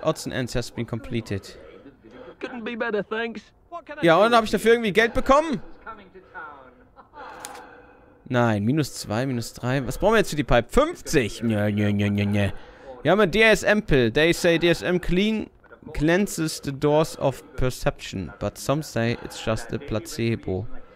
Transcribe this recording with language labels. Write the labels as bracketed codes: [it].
[en] Odds and ends has been completed. Couldn't be better, thanks. [de] Ja, und habe ich dafür irgendwie Geld bekommen? Nein, minus 2, minus 3. Was brauchen wir jetzt für die Pipe? 50! Nö. Wir haben ein DSM-Pill. [en] They say DSM clean cleanses the doors of perception. But some say it's just a placebo.